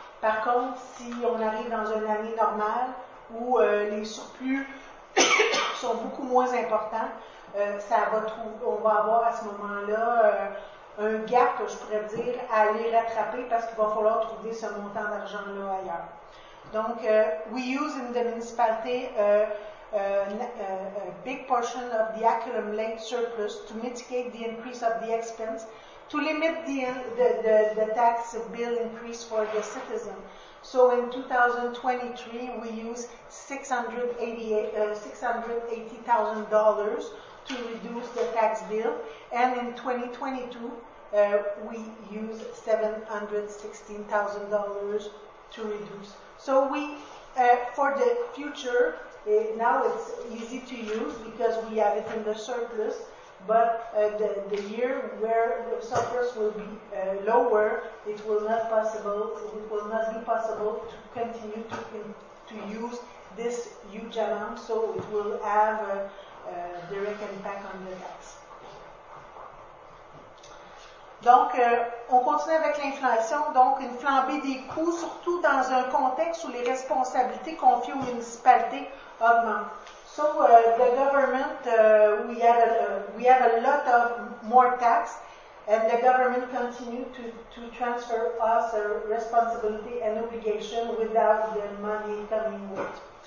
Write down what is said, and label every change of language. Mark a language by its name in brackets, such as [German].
[French] Par contre, si on arrive dans une année normale où les surplus sont beaucoup moins importants, on va avoir à ce moment-là un gap, je pourrais dire, à aller rattraper parce qu'il va falloir trouver ce montant d'argent-là ailleurs. [English] Donc, we use in the municipality a big portion of the accumulated surplus to mitigate the increase of the expense to limit the tax bill increase for the citizen. So in 2023, we use $680,000 to reduce the tax bill, and in 2022, we use $716,000 to reduce. So we, for the future, now it's easy to use because we have it in the surplus. But the year where the surplus will be lower, it will not be possible to continue to use this huge amount, so it will have a direct impact on the tax. [French] Donc, on continue avec l'inflation, donc une flambée des coûts, surtout dans un contexte où les responsabilités confiées aux municipalités augmentent. [English] So the government, we have a lot of more tax, and the government continued to transfer us a responsibility and obligation without the money coming out.